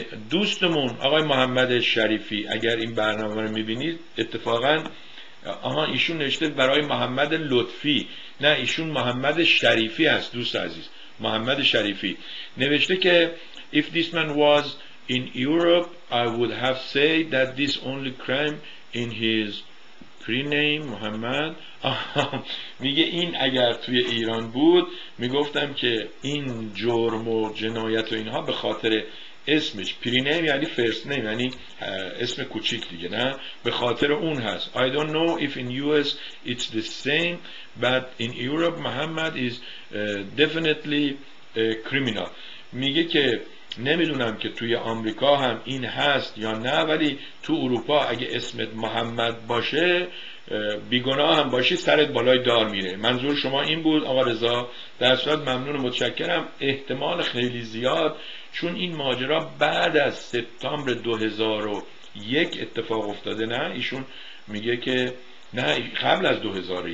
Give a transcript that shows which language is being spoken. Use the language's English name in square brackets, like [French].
[Persian] دوستمون آقای محمد شریفی اگر این برنامه رو میبینید، اتفاقا آها ایشون نشته برای محمد لطفی، نه ایشون محمد شریفی است، دوست عزیز محمد شریفی نوشته که [English] If this man was in Europe I would have said that this only crime in his prename [Persian] محمد. میگه این اگر توی ایران بود میگفتم که این جرم و جنایت و اینها به خاطر اسمش، prename یعنی first name، یعنی اسم کوچیک دیگه، نه به خاطر اون هست. [English] I don't know if in US it's the same but in Europe Muhammad is definitely criminal. [Persian] میگه که نمیدونم که توی آمریکا هم این هست یا نه، ولی تو اروپا اگه اسمت محمد باشه بیگناه هم باشی سرت بالای دار میره. منظور شما این بود آقا رضا؟ در صورت ممنون و متشکرم. احتمال خیلی زیاد چون این ماجرا بعد از سپتامبر 2001 اتفاق افتاده، نه ایشون میگه که نه قبل از 2001،